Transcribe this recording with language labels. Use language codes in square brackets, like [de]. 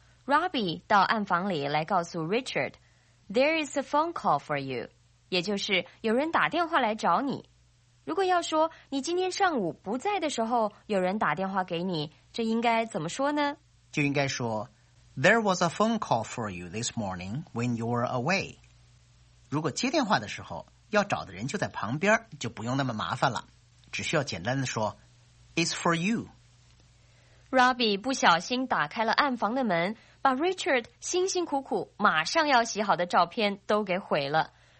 [zh] Robbie 到暗房里来告诉 Richard, [en] There is a phone call for you, [zh] 也就是有人打电话来找你。如果要说你今天上午不在的时候有人打电话给你，这应该怎么说呢？就应该说 [en] There was a phone call for you this morning when you were away. [zh] 如果接电话的时候要找的人就在旁边，就不用那么麻烦了，只需要简单的说 [en] It's for you. [zh] Robbie 不小心打开了暗房的门，把 Richard 辛辛苦苦马上要洗好的照片都给毁了。